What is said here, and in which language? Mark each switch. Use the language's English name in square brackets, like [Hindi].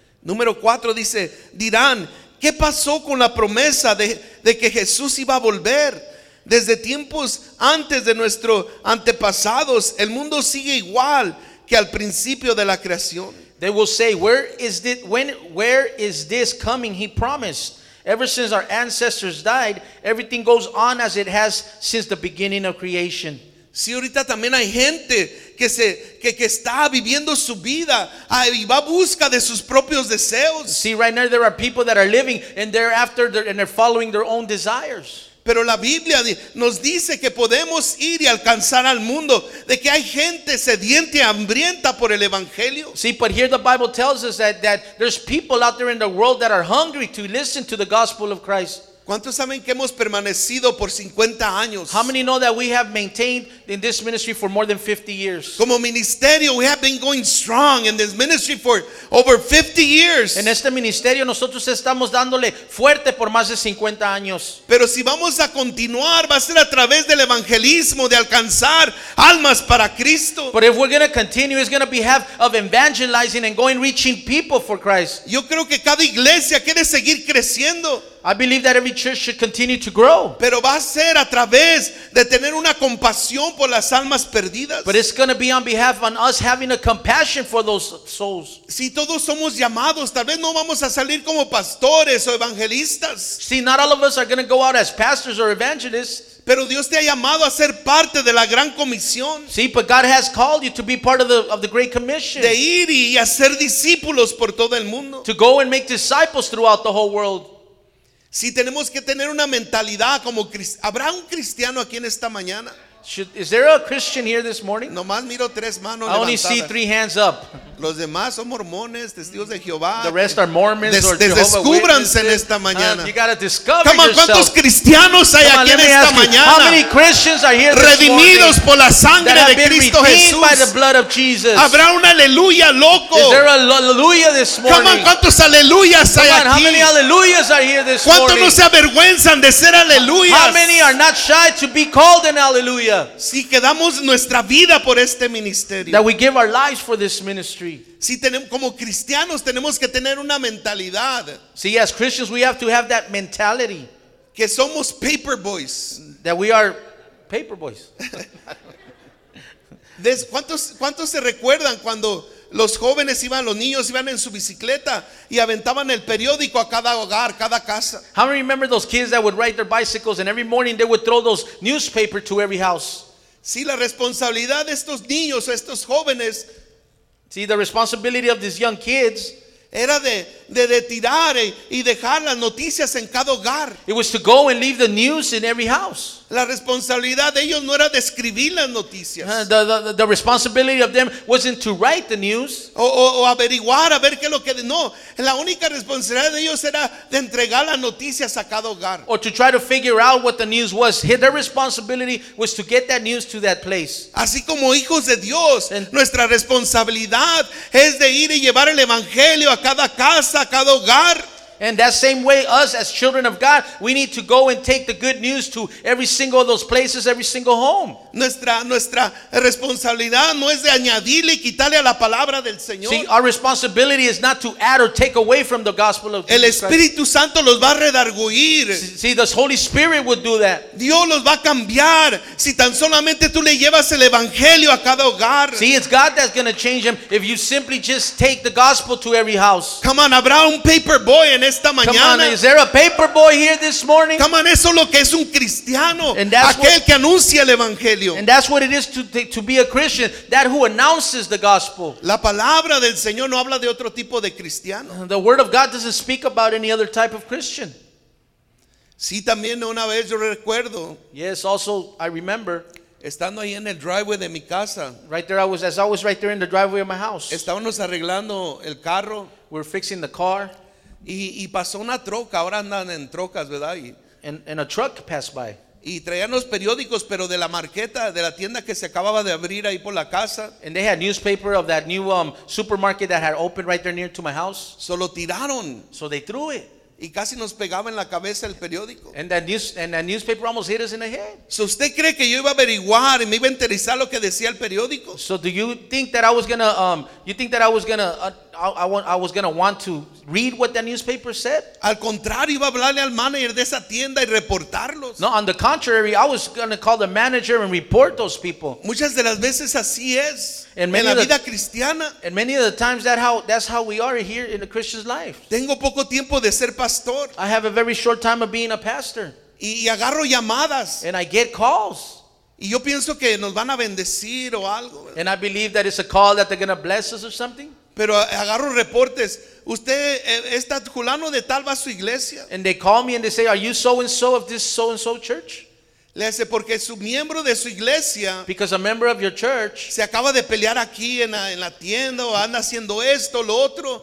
[Spanish] Número 4 dice, dirán, ¿qué pasó con la promesa de que Jesús iba a volver? Desde tiempos antes de nuestros antepasados, el mundo sigue igual que al principio de la creación. [English] They will say, where is this coming? He promised. Ever since our ancestors died, everything goes on as it has since the beginning of creation. [Spanish] Sí, ahorita también hay gente que está viviendo su vida y va a busca de sus propios deseos. [English] See, right now there are people that are living and they're following their own desires. [Spanish] Pero la Biblia nos dice que podemos ir y alcanzar al mundo, de que hay gente sediente y hambrienta por el evangelio. [English] See, but here the Bible tells us that there's people out there in the world that are hungry to listen to the gospel of Christ. [Spanish] ¿Cuántos saben que hemos permanecido por 50 años? [English] How many know that we have maintained in this ministry for more than 50 years? [Spanish] Como ministerio, [English] we have been going strong in this ministry for over 50 years. [Spanish] En este ministerio, nosotros estamos dándole fuerte por más de 50 años. Pero si vamos a continuar, va a ser a través del evangelismo, de alcanzar almas para Cristo. [English] But if we're going to continue, it's going to be half of evangelizing and going reaching people for Christ. [Spanish] Yo creo que cada iglesia quiere seguir creciendo. [English] I believe that every church should continue to grow. [Spanish] Pero va a ser a través de tener una compasión por las almas perdidas. [English] But it's going to be on behalf of us having a compassion for those souls. [Spanish] Si todos somos llamados, tal vez no vamos a salir como pastores o evangelistas. [English] See, not all of us are going to go out as pastors or evangelists. [Spanish] Pero Dios te ha llamado a ser parte de la gran comisión. [English] See, but God has called you to be part of the great commission. [Spanish] De ir y hacer discípulos por todo el mundo. [English] To go and make disciples throughout the whole world. [Spanish] Si tenemos que tener una mentalidad como cristiano, ¿habrá un cristiano aquí en esta mañana? [English] Is there a Christian here this morning? [Spanish] Nomás miro tres manos levantadas. [English] I only see three hands up. [Spanish] Los demás son mormones, testigos de Jehová. [English] The rest are Mormons or Jehovah's Witnesses. [Spanish] Descúbranse en esta mañana. [English] You got to discover Come on, [Spanish] ¿cuántos cristianos hay aquí en esta mañana? [English] How many Christians are here this morning? [Spanish] Redimidos por la sangre de Cristo Jesús. [English] That have been redeemed by the blood of Jesus. [Spanish] ¿Habrá un aleluya loco? [English] Is there a hallelujah this morning? Come on, [Spanish] ¿cuántos aleluyas hay aquí? [English] How many hallelujahs are here this morning? [Spanish] ¿Cuántos no se avergüenzan de ser aleluyas? [English] How many are not shy to be called an hallelujah? [Spanish] Si quedamos nuestra vida por este ministerio. [English] That we give our lives for this ministry. ministry. [Spanish] Si tenemos, como cristianos tenemos que tener una mentalidad. [English] See, as Christians we have to have that mentality. [Spanish] Que somos [English] paper boys. That we are paper boys. [Spanish] ¿Cuántos se recuerdan cuando los jóvenes iban, los niños iban en su bicicleta y aventaban el periódico a cada hogar, cada casa? [English] How many remember those kids that would ride their bicycles and every morning they would throw those newspaper to every house? [Spanish] Sí, la responsabilidad de estos niños, estos jóvenes. [English] See, the responsibility of these young kids. [Spanish] Era de tirar y dejar las noticias en cada hogar. [English] It was to go and leave the news in every house. [Spanish] La responsabilidad de ellos no era de escribir las noticias. [English] The responsibility of them wasn't to write the news. [Spanish] O averiguar a ver qué es lo que no. La única responsabilidad de ellos era de entregar las noticias a cada hogar. [English] Or to try to figure out what the news was. Their responsibility was to get that news to that place. [Spanish] Así como hijos de Dios, nuestra responsabilidad es de ir y llevar el evangelio a cada casa, a cada hogar. [English] And that same way, us as children of God, we need to go and take the good news to every single of those places, every single home. [Spanish] Nuestra responsabilidad no es de añadirle y quitarle a la palabra del Señor. [English] See, our responsibility is not to add or take away from the gospel of Jesus. [Spanish] El Espíritu Santo los va a redarguir. [English] See, the Holy Spirit would do that. [Spanish] Dios los va a cambiar si tan solamente tú le llevas el evangelio a cada hogar. [English] See, it's God that's going to change them if you simply just take the gospel to every house. Come on, [Spanish] habrá un [English] paper boy [Spanish] en esta mañana. [English] Come on, is there a paper boy here this morning? Come on, [Spanish] eso es lo que es un cristiano, aquel que anuncia el evangelio. [English] And that's what it is to be a Christian, that who announces the gospel. [Spanish] La palabra del Señor no habla de otro tipo de cristiano. [English] The word of God doesn't speak about any other type of Christian. [Spanish] Sí, también una vez yo recuerdo. [English] Yes, also I remember. [Spanish] Estando ahí en el driveway de mi casa. [English] Right there, I was right there in the driveway of my house. [Spanish] Estábamos arreglando el carro. [English] We're fixing the car. [Spanish] Y pasó una troca. Ahora andan en trocas, ¿verdad? [English] And a truck passed by. [Spanish] Y traían los periódicos, pero de la marqueta, de la tienda que se acababa de abrir ahí por la casa. [English] And they had newspaper of that new supermarket that had opened right there near to my house. [Spanish] So lo tiraron. [English] So they threw it. [Spanish] Y casi nos pegaba en la cabeza el periódico. [English] And that newspaper almost hit us in the head. [Spanish] So usted cree que yo iba a averiguar y me iba a interesar lo que decía el periódico. [English] So do you think that I was gonna I was gonna want to read what that newspaper said? [Spanish] Al contrario, iba a hablarle al manager de esa tienda y reportarlos. [English] No, on the contrary, I was gonna call the manager and report those people. [Spanish] Muchas de las veces así es en la vida cristiana. [English] And many of the times that's how we are here in the Christian's life. [Spanish] Tengo poco tiempo de ser pastor. [English] I have a very short time of being a pastor. [Spanish] Y agarro llamadas. [English] And I get calls. [Spanish] Y yo pienso que nos van a bendecir o algo. [English] And I believe that it's a call that they're gonna bless us or something. [Spanish] Pero agarro reportes. Usted está fulano de tal va a su iglesia. [English] And they call me and they say, are you so and so of this so and so church? [Spanish] Le hace porque su miembro de su iglesia. [English] Because a member of your church. [Spanish] Se acaba de pelear aquí en la tienda o anda haciendo esto, lo otro.